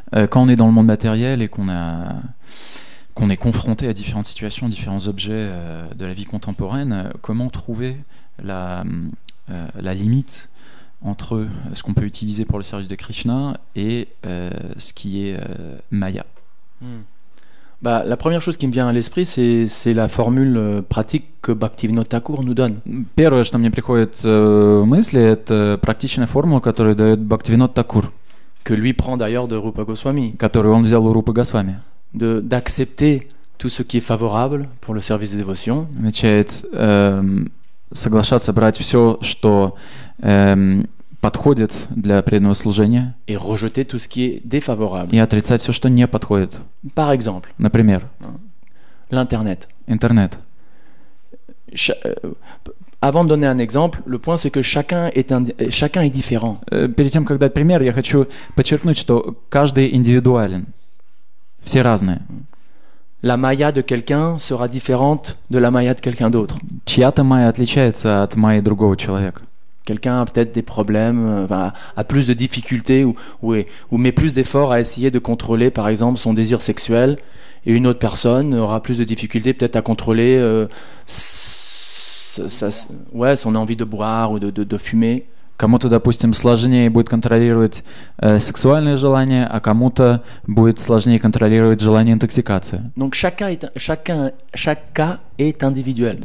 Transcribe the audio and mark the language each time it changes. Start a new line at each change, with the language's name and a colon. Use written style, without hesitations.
French: Quand on est dans le monde matériel et qu'on est confronté à différentes situations, différents objets de la vie contemporaine, comment trouver la limite entre ce qu'on peut utiliser pour le service de Krishna et ce qui est Maya? Bah, la première chose qui me vient à l'esprit, c'est la formule pratique que Bhaktivinoda Thakur nous donne.
Russian: Первое, что мне приходит в мысли, это практичная формула, которую дает Бхактивинод Такур.
French: Que lui prend d'ailleurs de Rupa Goswami.
Russian: Который он взял у Рупы Госвами.
French: D'accepter tout ce qui est favorable pour le service de dévotion.
Russian: Означает соглашаться брать все, что подходит для преданного служения.
French: Et rejeter tout ce qui est défavorable.
Russian: И отрицать все, что не подходит.
French: Par exemple.
Russian: Например.
French: L'internet.
Russian: Интернет.
French: Avant de donner un exemple, le point c'est que chacun est différent.
Russian: Перед тем, как дать пример, я хочу подчеркнуть, что каждый индивидуален. Все разные.
French: La maya de quelqu'un sera différente de la maya de quelqu'un d'autre.
Russian: Чья-то майя отличается от майи другого человека.
French: Quelqu'un a peut-être des problèmes, enfin, a plus de difficultés ou met plus d'efforts à essayer de contrôler, par exemple, son désir sexuel, et une autre personne aura plus de difficultés peut-être à contrôler son envie de boire ou de fumer.
Russian: Кому-то, допустим, сложнее будет контролировать сексуальные желания, а кому-то будет сложнее контролировать желание интоксикации.
French: Donc chaque cas est individuel.